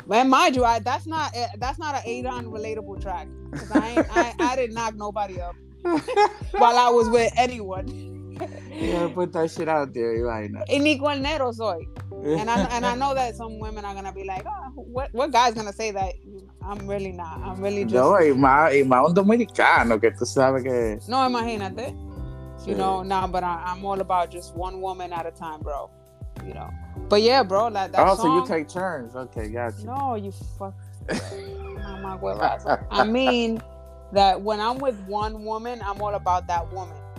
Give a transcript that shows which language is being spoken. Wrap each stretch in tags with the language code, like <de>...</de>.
<en>Man, mind you, that's not an Adon relatable track. Because I didn't knock nobody up while I was with anyone. Yeah, put that shit out there, Elena.</en> <es>En igual nero soy.</es> <en>And I know that some women are going to be like, oh, what guy's going to say that? I'm really not. I'm really just...</en> <es>No, y más un dominicano, que tú sabes que... No, imagínate. Sí.</es> <en>You know, no, but I'm all about just one woman at a time, bro. You know. But yeah, bro, like that oh, song... Oh, so you take turns. Okay, gotcha. No, you fuck. I mean, that when I'm with one woman, I'm all about that woman.</en>